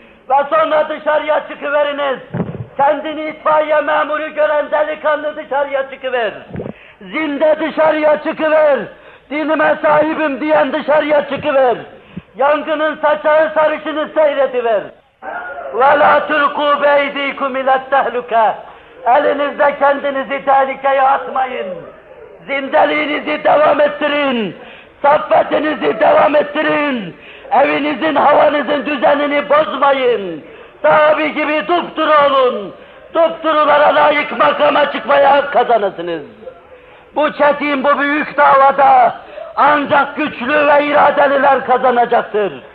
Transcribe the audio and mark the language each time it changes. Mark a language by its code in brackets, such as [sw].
[tr] Ve sonra dışarıya çıkıveriniz. Kendini itfaiye memuru gören delikanlı dışarıya çıkıver. Zinde dışarıya çıkıver. Dinime sahibim diyen dışarıya çıkıver. Yangının saçağı sarışını seyrediver. [ar] وَلَا تُلْقُوا بَيْد۪يكُمْ اِلَى التَّهْلُكَةِ [tr] Elinizle kendinizi tehlikeye atmayın. Zindeliğinizi devam ettirin. Saffetinizi devam ettirin. Evinizin, havanızın düzenini bozmayın. Sahabi gibi dupturu olun. Dupturulara layık makama çıkmaya hak kazanırsınız. Bu çetin, bu büyük davada ancak güçlü ve iradeliler kazanacaktır.